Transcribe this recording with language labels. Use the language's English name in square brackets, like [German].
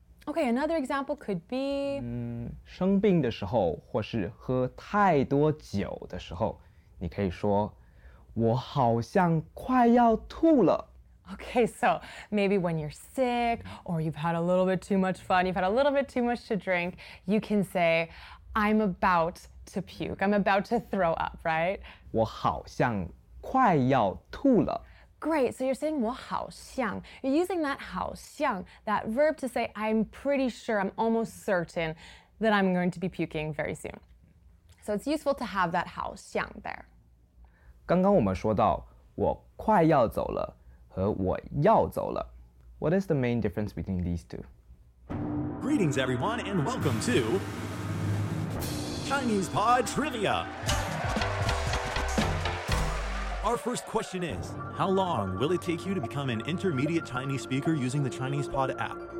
[English] Okay, another example could be [Chinese] 生病的时候，或是喝太多酒的时候，你可以说我好像快要吐了。 [English] Okay, so maybe when you're sick or you've had a little bit too much fun, you've had a little bit too much to drink, you can say, I'm about to puke, I'm about to throw up, right? [Chinese] 我好像快要吐了。 [English] Great, so you're saying [Chinese] 我好像, [English] you're using that 好像, that verb to say I'm pretty sure, I'm almost certain that I'm going to be puking very soon. So it's useful to have that 好像 there. [Chinese] 刚刚我们说到我快要走了。和我要走了。 [English] What is the main difference between these two? Greetings, everyone, and welcome to ChinesePod Trivia. Our first question is, how long will it take you to become an intermediate Chinese speaker using the ChinesePod app?